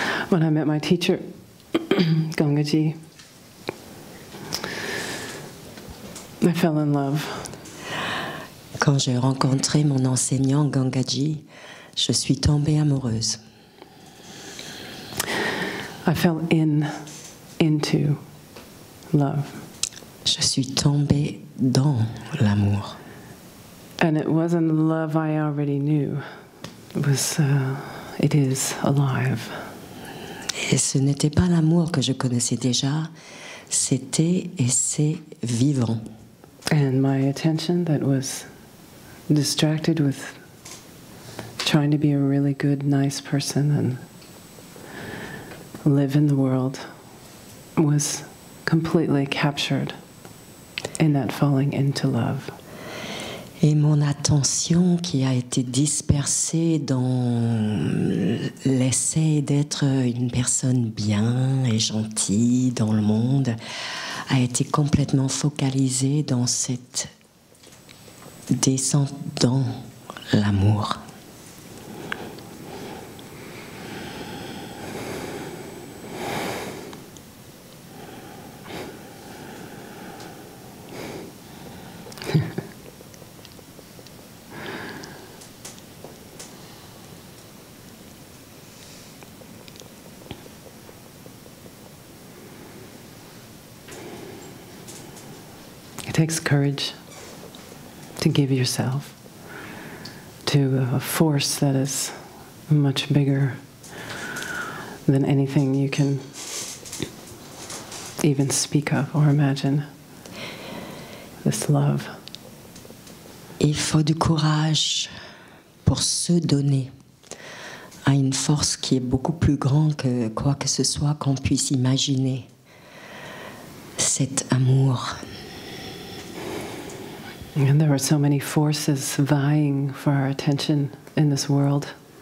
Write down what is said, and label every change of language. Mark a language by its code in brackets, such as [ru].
[en] when I met my teacher, Gangaji, I fell in love. [fr] Quand j'ai rencontré mon enseignant Gangaji, je suis tombée amoureuse. [en] I fell into love. [fr] Je suis tombée dans l'amour. [en] And it wasn't love I already knew. It is alive. [fr] Et ce n'était pas l'amour que je connaissais déjà, c'était et c'est vivant. [en] And my attention that was distracted with trying to be a really good, nice person and live in the world was completely captured in that falling into love. [fr] Et mon attention qui a été dispersée dans l'essai d'être une personne bien et gentille dans le monde a été complètement focalisée dans cette descente dans l'amour. [en] It takes courage to give yourself to a force that is much bigger than anything you can even speak of or imagine, this love. [fr] Il faut du courage pour se donner à une force qui est beaucoup plus grande que quoi que ce soit qu'on puisse imaginer, cet amour. [en] And there are so many forces vying for our attention in this world.